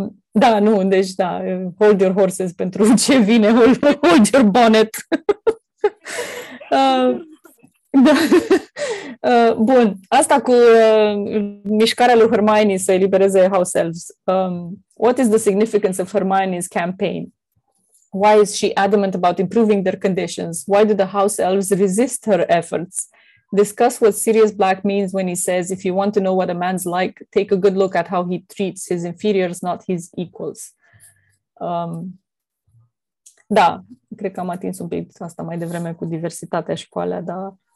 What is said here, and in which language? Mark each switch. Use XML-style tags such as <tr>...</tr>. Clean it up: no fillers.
<ro>Da, nu, deci da,</ro> <en>hold your horses</en> <ro>pentru ce vine,</ro> <en>hold your bonnet.</en> <ro>Da. Bun, asta cu mișcarea lui Hermione să elibereze House Elves.</ro> <en>What is the significance of Hermione's campaign? Why is she adamant about improving their conditions? Why do the House Elves resist her efforts? Discuss what Sirius Black means when he says, if you want to know what a man's like, take a good look at how he treats his inferiors, not his equals.</en> <ro>Da, cred că am atins un pic asta mai devreme cu diversitatea și cu alea, dar...</ro>